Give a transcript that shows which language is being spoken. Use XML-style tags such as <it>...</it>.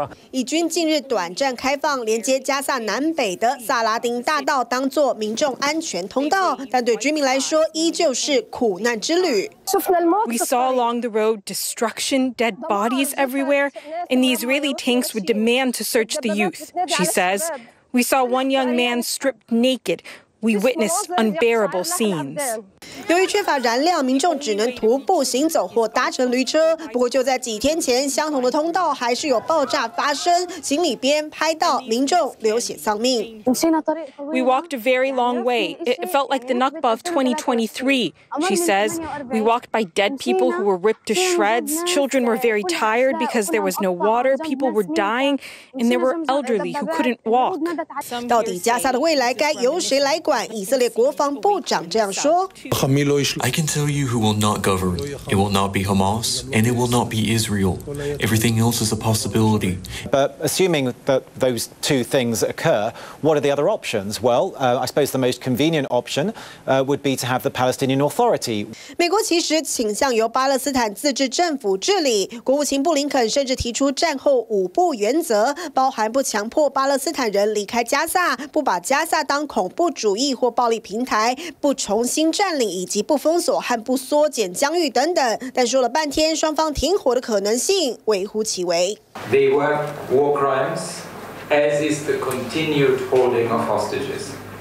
<zh>以军近日短暂开放连接加萨南北的萨拉丁大道，当作民众安全通道，但对居民来说，依旧是苦难之旅。</zh> <en>We saw along the road destruction, dead bodies everywhere, and the Israeli tanks would demand to search the youth. She says, "We saw one young man stripped naked. We witnessed unbearable scenes."</en> <zh>由于缺乏燃料，民众只能徒步行走或搭乘驴车。不过就在几天前，相同的通道还是有爆炸发生，行李边拍到民众流血丧命。</zh> <en>We walked a very long way. It felt like the Nakba of 2023. She says we walked by dead people who were ripped to shreds. Children were very tired because there was no water. People were dying, and there were elderly who couldn't walk.</en> <zh>到底加沙的未来该由谁来管？以色列国防部长这样说。</zh> <en>I can tell you who will not govern. It will not be Hamas, and it will not be Israel. Everything else is a possibility. But assuming that those two things occur, what are the other options? Well, I suppose the most convenient option would be to have the Palestinian Authority.</en> <zh>美国其实倾向由巴勒斯坦自治政府治理。国务卿布林肯甚至提出战后五不原则，包含不强迫巴勒斯坦人离开加萨，不把加萨当恐怖主义或暴力平台，不重新占领，以及不封锁和不缩减疆域等等。但说了半天，双方停火的可能性微乎其微。</zh> <en>They were war crimes, as is the continued holding of hostages.</en>